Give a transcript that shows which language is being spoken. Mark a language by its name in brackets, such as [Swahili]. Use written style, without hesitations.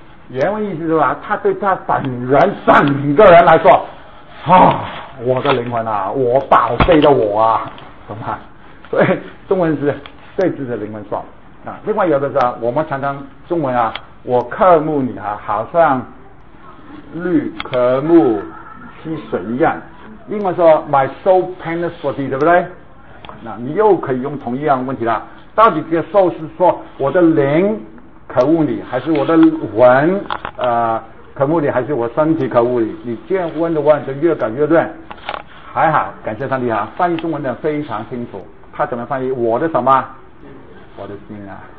[Chinese] 原文意思是吧，他对他本人整个人来说，啊，我的灵魂啊，我宝贝的我啊，懂吗？所以中文是对自己的灵魂说啊。另外有的是啊，我们常常中文啊，我渴慕你啊，好像绿渴慕溪水一样。 [English] 英文说 My soul pants for thee， [Chinese] 对不对？那你又可以用同一样问题了，到底这个 soul 是说我的灵渴慕你，还是我的魂渴慕你，还是我身体渴慕你？你见问的问题越改越乱。还好，感谢上帝啊！翻译中文的非常清楚，他怎么翻译？我的什么？我的心啊！